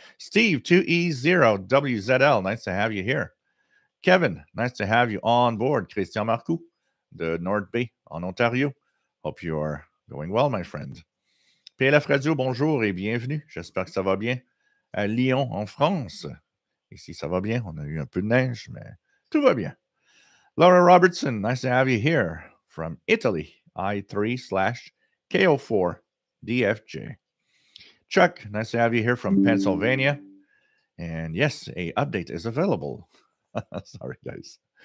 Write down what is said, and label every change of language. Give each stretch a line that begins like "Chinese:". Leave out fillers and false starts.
English: Steve 2E0WZL, nice to have you here. Kevin, nice to have you on board. Christian Marcoux, the North Bay on Ontario. Hope you are going well, my friend.
French: PLF Radio, bonjour et bienvenue. J'espère que ça va bien. À Lyon, en France. Ici, ça va bien. On a eu un peu de neige, mais tout va bien.
English: Laura Robertson, nice to have you here from Italy. I3/KO4DFJ. Chuck, nice to have you here from Pennsylvania. And yes, an update is available. Sorry, guys.